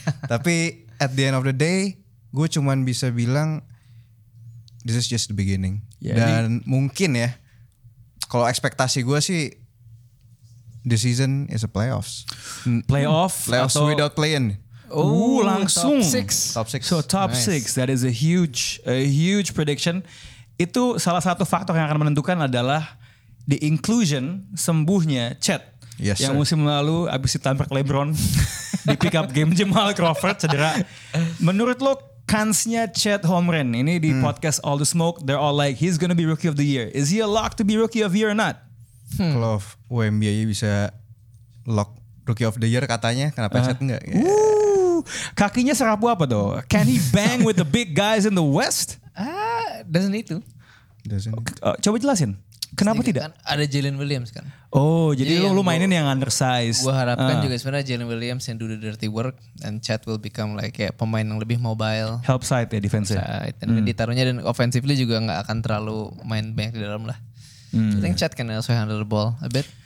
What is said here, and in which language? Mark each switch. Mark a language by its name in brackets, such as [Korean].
[English] Tapi at the end of the day, [Indonesian] gue cuman bisa bilang [English] this is just the beginning. Yeah, [Indonesian] dan ini mungkin ya, kalau ekspektasi gue sih [English] the season is a playoffs. [Indonesian] Playoffs atau [English] without play-in. [Indonesian] Oh, langsung. [English] Top 6. So top 6, nice. That is a huge prediction. [Indonesian] Itu salah satu faktor yang akan menentukan adalah [English] the inclusion [Indonesian] sembuhnya Chet. [English] Yes, [Indonesian] yang Musim lalu abis ditampak LeBron di pick up game Jamal Crawford cedera. Menurut lo kansnya Chet Holmgren ini di podcast All The Smoke, [English] they're all like, he's gonna be rookie of the year. Is he a lock to be rookie of the year or not? [Indonesian] Kalau WNBA bisa lock Rookie of the Year katanya, kenapa Chet enggak? Yeah. Kakinya serapu apa tuh? [English] Can he bang with the big guys in the West? Doesn't need to. [Indonesian] Coba jelasin. Kenapa kan tidak? Ada Jalen Williams kan. Oh, jadi lu mainin yang undersized. Gua harapkan juga sebenarnya Jalen Williams yang [English] do the dirty work and Chet will become like [Indonesian] ya, pemain yang lebih mobile. [English] Help side ya defense. Side. [Indonesian] Dan ditaruhnya dan offensively juga enggak akan terlalu main banyak di dalam lah. [English] I think Chet can also handle the ball a bit.